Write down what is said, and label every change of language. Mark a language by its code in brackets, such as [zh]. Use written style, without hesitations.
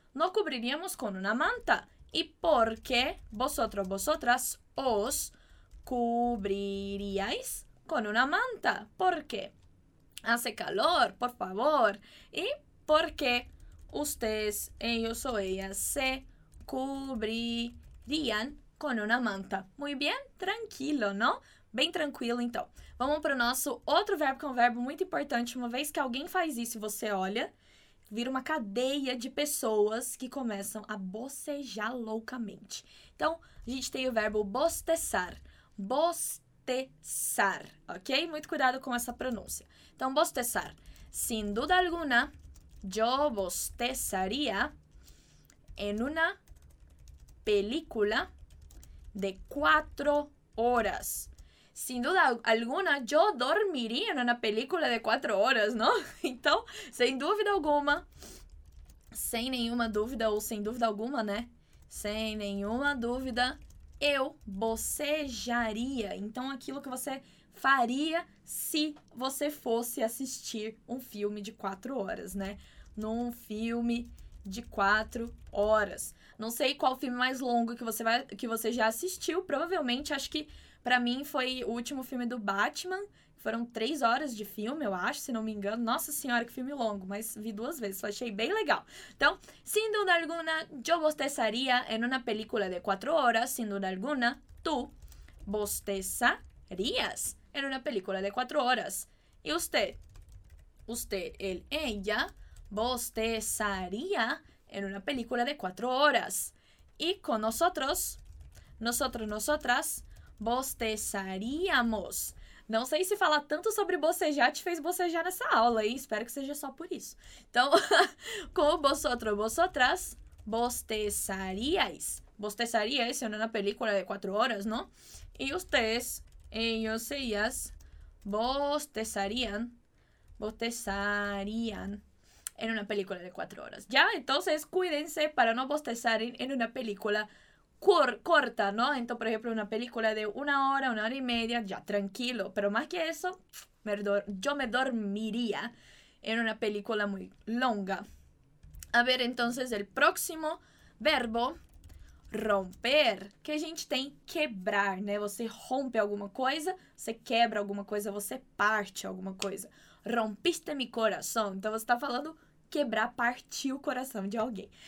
[es] No cubriríamos con una manta. ¿Y por qué vosotros, vosotras os cubriríais con una manta? ¿Por qué? Hace calor, por favor. ¿Y por qué ustedes, ellos o ellas se cubrirían con una manta? Muy bien, tranquilo, ¿no? [pt] Bem tranquilo, então. Vamos para o nosso outro verbo, que é um verbo muito importante. Uma vez que alguém faz isso e você olha, vira uma cadeia de pessoas que começam a bocejar loucamente. Então, a gente tem o verbo bostezar. Bostezar, ok? Muito cuidado com essa pronúncia. Então, bostezar. [es] Sin duda alguna, yo bostezaría en una película de 4 horas. Sin duda alguna, yo dormiría en una película de 4 horas, ¿no? [pt] Então, sem dúvida alguma, sem nenhuma dúvida ou sem dúvida alguma, né? Sem nenhuma dúvida, eu bocejaria. Então, aquilo que você faria se você fosse assistir um filme de 4 horas, né? Num filme de 4 horas. Não sei qual filme mais longo que você já assistiu. Provavelmente, acho que pra mim foi o último filme do Batman. Foram 3 horas de filme, eu acho, se não me engano. Nossa senhora, que filme longo. Mas vi 2 vezes, só achei bem legal. [es] Então, sin duda alguna, yo bostezaría en una película de 4 horas. Sin duda alguna, tú bostezarías en una película de 4 horas. E usted? Usted, él, ella, bostezaría en una película de 4 horas. Y con nosotros, nosotros, nosotras, bostezaríamos. [pt] Não sei se falar tanto sobre bocejar te fez bocejar nessa aula, hein? Espero que seja só por isso. Então, com o vosotros, vosotras, bostezaríais. Bostezaríais, sendo na [es] película de 4 horas, [pt] não? [es] E ustedes, ellos, ellas, bostezarían, bostezarían en una película de 4 horas. Ya, entonces cuídense para no bostezar en una película corta, ¿no? Entonces, por ejemplo, una película de una hora y media, ya, tranquilo. Pero más que eso, yo me dormiría en una película muy longa. A ver, entonces, el próximo verbo, romper, [pt] que a gente tem quebrar, né? Você rompe alguma coisa, você quebra alguma coisa, você parte alguma coisa. [es] Rompiste mi corazón. [pt] Então, você está falando quebrar, partir o coração de alguém.